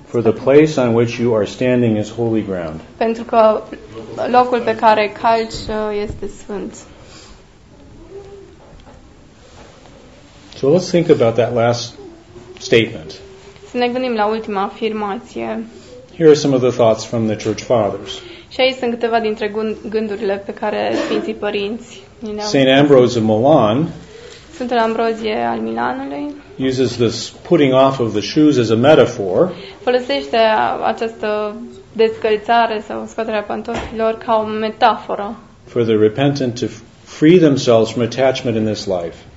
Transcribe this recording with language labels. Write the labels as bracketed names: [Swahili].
[English] For the place on which you are standing is holy ground. [Romanian] Pentru că locul pe care calci este sfânt. [English] So let's think about that last statement. [Romanian] Să ne gândim la ultima afirmație. [English] Here are some of the thoughts from the church fathers. [Romanian] Și aici sunt câteva dintre gândurile pe care Sfinții Părinți. [English] St. Ambrose of Milan. [Romanian] Sfântul Ambrozie al Milanului. [English] Uses this putting off of the shoes as a metaphor. [Romanian] Folosește această descălțare sau scoaterea pantofilor ca o metaforă. [English] For the repentant to free themselves from attachment in this life.